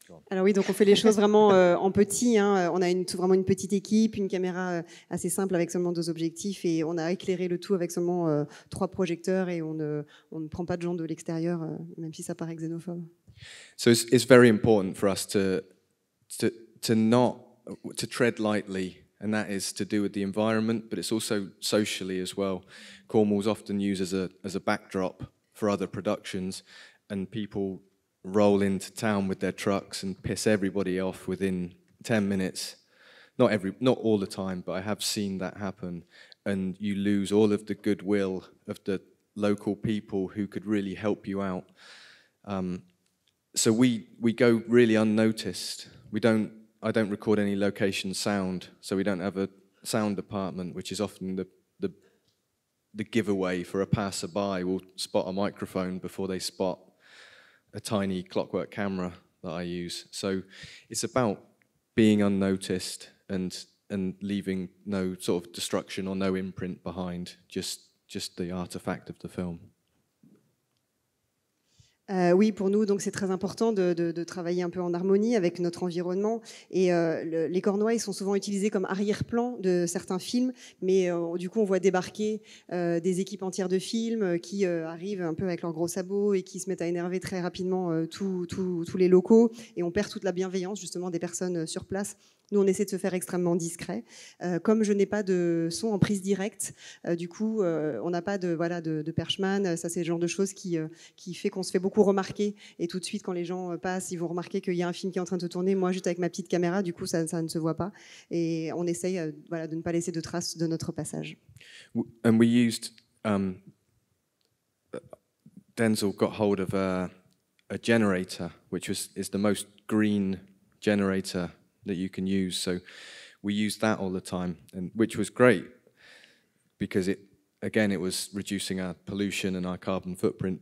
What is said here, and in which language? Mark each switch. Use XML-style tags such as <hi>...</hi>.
<fr>Alors oui, donc on fait les choses vraiment en petit. Hein. On a vraiment une petite équipe, une caméra assez simple avec seulement 2 objectifs et on a éclairé le tout avec seulement 3 projecteurs et on ne prend pas de gens de l'extérieur, même si ça paraît xénophobe.</fr> <en>So it's very important for us to not tread lightly, and that is to do with the environment, but it's also socially as well. Cornwall's often used as a backdrop for other productions, and people roll into town with their trucks and piss everybody off within 10 minutes. Not all the time, but I have seen that happen. And you lose all of the goodwill of the local people who could really help you out. So we go really unnoticed. I don't record any location sound, so we don't have a sound department, which is often the giveaway for a passerby. We'll spot a microphone before they spot a tiny clockwork camera that I use. So it's about being unnoticed and leaving no sort of destruction or no imprint behind, just the artifact of the film.</en> <fr>Oui, pour nous, donc c'est très important de travailler un peu en harmonie avec notre environnement. Et les cornouailles sont souvent utilisées comme arrière-plan de certains films, mais du coup, on voit débarquer des équipes entières de films qui arrivent un peu avec leurs gros sabots et qui se mettent à énerver très rapidement tous les locaux. Et on perd toute la bienveillance, justement, des personnes sur place. Nous, on essaie de se faire extrêmement discret. Comme je n'ai pas de son en prise directe, on n'a pas de perchman. Ça, c'est le genre de choses qui fait qu'on se fait beaucoup remarquer. Et tout de suite, quand les gens passent, ils vont remarquer qu'il y a un film qui est en train de tourner. Moi, juste avec ma petite caméra, du coup, ça ne se voit pas. Et on essaye de ne pas laisser de traces de notre passage.</fr> <en>And we used... Denzel got hold of a generator, which is the most green generator that you can use, so we use that all the time, and which was great because it was reducing our pollution and our carbon footprint.</en>